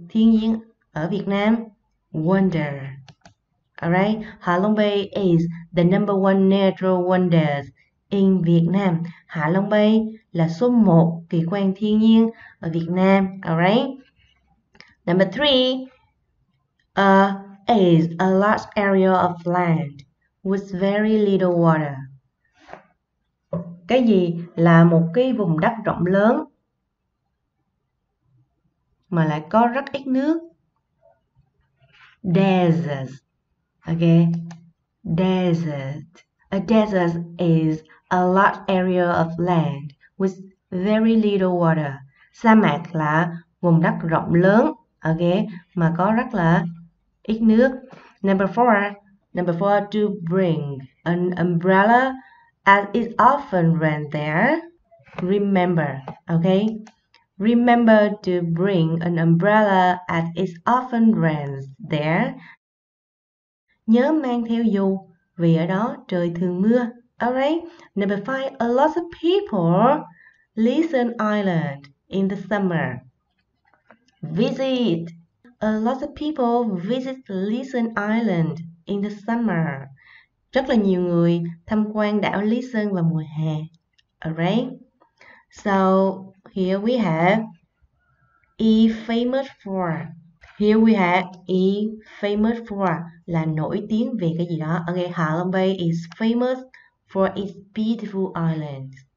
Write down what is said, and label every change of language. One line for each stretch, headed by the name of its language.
Vietnamese: Thiên nhiên ở Việt Nam. Wonder. Alright.
English: Hạ Long Bay is the number one natural wonders in Việt Nam.
Vietnamese: Hạ Long Bay là số 1 kỳ quan thiên nhiên ở Việt Nam.
English: Alright. Number 3. Is a large area of land with very little water.
Vietnamese: Cái gì là một cái vùng đất rộng lớn mà lại có rất ít nước?
English: Desert. Okay. Desert. A desert is a large area of land with very little water.
Vietnamese: Sa mạc là vùng đất rộng lớn, okay, mà có rất là ít nước.
English: Number four. Number four, to bring. an umbrella as it often rains there. Remember, okay? Remember to bring an umbrella as it often rains there.
Vietnamese: Nhớ mang theo dù vì ở đó trời thường mưa.
English: Alright, number five, a lot of people listen island in the summer. Visit. A lot of people visit Listen Island in the summer.
Vietnamese: Rất là nhiều người tham quan đảo Lý Sơn vào mùa hè. Alright.
English: So here we have E famous for. Here we have E famous for
Vietnamese: là nổi tiếng về cái gì đó.
English: Okay, Hạ Long Bay is famous for its beautiful island.